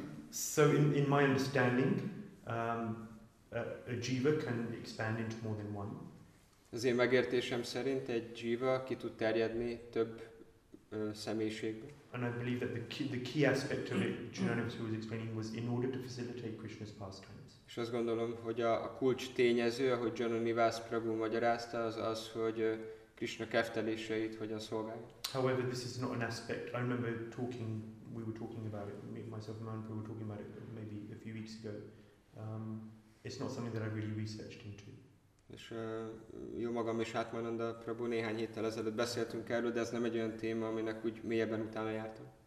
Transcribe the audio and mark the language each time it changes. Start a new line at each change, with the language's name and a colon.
English: So in my understanding, a jiva can expand into more than one.
Hungarian: Az én megértésem szerint egy jiva ki tud terjedni több személyiségbe.
English: And I believe that the key aspect of it, Jnanavati was explaining, was in order to facilitate Krishna's pastimes.
Hungarian: És azt gondolom, hogy a kulcs tényező, ahogy Jnanavati Prabhu magyarázta, az, hogy Krishna kefteléseit hogyan szolgálja.
English: However, this is not an aspect. I remember talking. We were talking about it. Myself and Manpur were talking about it maybe a few weeks ago. It's not something that I really researched into.
Hungarian: És jó magam is Átmananda Prabhu néhány héttel ezelőtt beszéltünk erről, de ez nem egy olyan téma, aminek úgy mélyebben utána jártam.